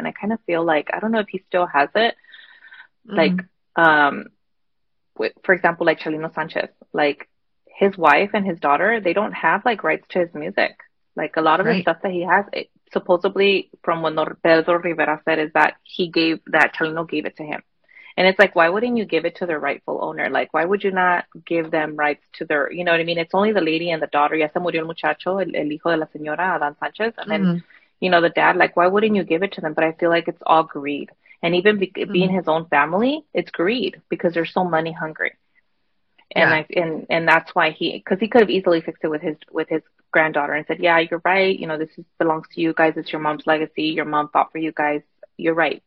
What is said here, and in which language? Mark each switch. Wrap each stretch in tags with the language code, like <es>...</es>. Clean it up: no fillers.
<en>And I kind of feel like, I don't know if he still has it. Like, for example, like Chelino Sanchez, like, his wife and his daughter, they don't have, like, rights to his music. Like, a lot of the stuff that he has, supposedly, from what Pedro Rivera said, is that Chelino gave it to him. And it's like, why wouldn't you give it to their rightful owner? Like, why would you not give them rights to their, you know what I mean? It's only the lady and the daughter.</en> <es>Ya se murió el muchacho, el hijo de la señora, Adán Sánchez.</es> <en>And then, you know, the dad, like, why wouldn't you give it to them? But I feel like it's all greed. And even being his own family, it's greed, because they're so money hungry. And and that's why he could have easily fixed it with his granddaughter and said, yeah, you're right. You know, this belongs to you guys. It's your mom's legacy. Your mom fought for you guys. You're right.</en>